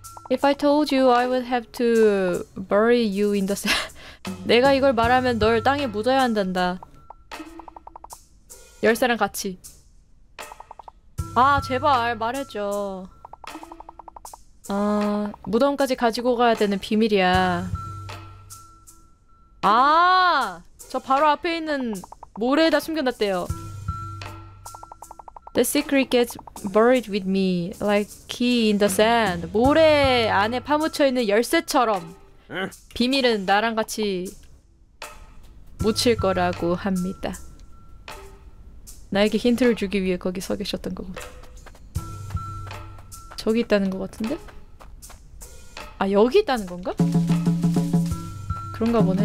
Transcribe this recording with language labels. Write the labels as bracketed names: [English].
[English] If I told you, I would have to bury you in the sand. [Korean] 내가 이걸 말하면 널 땅에 묻어야 한단다. 열쇠랑 같이. 아, 제발 말해줘. 아, 무덤까지 가지고 가야 되는 비밀이야. 아, 저 바로 앞에 있는 모래에다 숨겨놨대요. [English] The secret gets buried with me, like key in the sand. [Korean] 모래 안에 파묻혀 있는 열쇠처럼. 비밀은 나랑 같이 묻힐 거라고 합니다. 나에게 힌트를 주기 위해 거기 서 계셨던 거고. 저기 있다는 것 같은데? 아, 여기 있다는 건가? 그런가 보네.